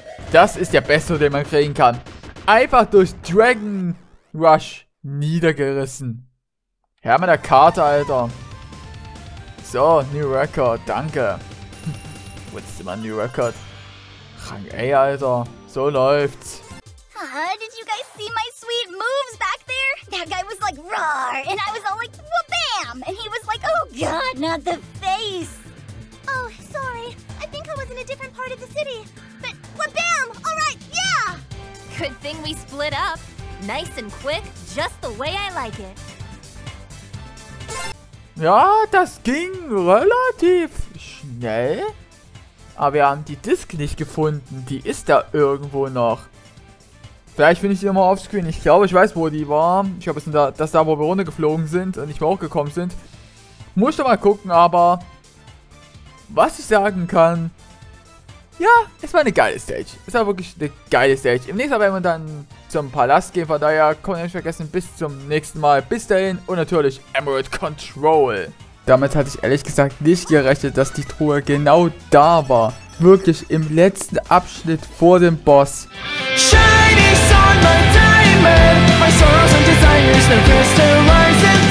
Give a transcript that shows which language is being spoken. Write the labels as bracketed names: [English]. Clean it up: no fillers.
[German] Das ist der Beste, den man kriegen kann. Einfach durch Dragon Rush niedergerissen. Hör mal der Karte, Alter. So, New Record, danke. Was ist immer New Record? Rang A, Alter. So läuft's. [English] Did you guys see my sweet moves back there? That guy was like, rawr, and I was all like, whoop-bam! And he was like, oh god, not the face! Oh, sorry. I think I was in a different part of the city. But, whoop-bam! Alright, yeah! Good thing we split up. Nice and quick, just the way I like it. [German] Ja, das ging relativ schnell. Aber wir haben die Disc nicht gefunden. Die ist da irgendwo noch. Vielleicht finde ich die nochmal offscreen. Ich glaube, ich weiß, wo die war. Ich glaube, das ist da, wo wir runtergeflogen sind und nicht mehr hochgekommen sind. Muss ich nochmal gucken, aber was ich sagen kann, ja, es war eine geile Stage. Es war wirklich eine geile Stage. Im nächsten Mal werden wir dann zum Palast gehen. Von daher, kommt nicht vergessen, bis zum nächsten Mal. Bis dahin und natürlich Emerald Control. Damit hatte ich ehrlich gesagt nicht gerechnet, dass die Truhe genau da war. Wirklich im letzten Abschnitt vor dem Boss. [English] Shiny sun, my diamond. My sorrows and desires, they're crystallizing.